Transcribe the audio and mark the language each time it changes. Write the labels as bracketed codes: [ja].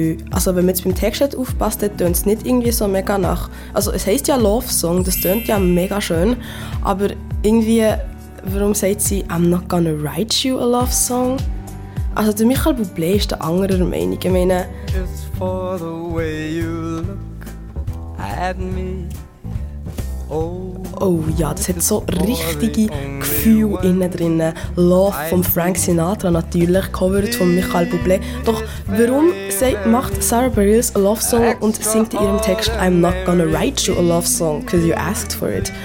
[de] Also wenn man jetzt beim Text nicht aufpasst, dann tönt es nicht irgendwie so mega nach. Also es heisst ja Love Song, das tönt ja mega schön, aber irgendwie, warum sagt sie, [en] I'm not gonna write you a love song? [de] Also der Michael Bublé ist der andere Meinung. Ich meine, [en] it's for the way you look at me, [de] Oh ja, das hat so richtige Gefühle innen drin. Love von Frank Sinatra natürlich, covered von Michael Bublé. Doch warum macht Sarah Bareilles a love song und singt in ihrem Text [en] «I'm not gonna write you a love song, cause you asked for it»?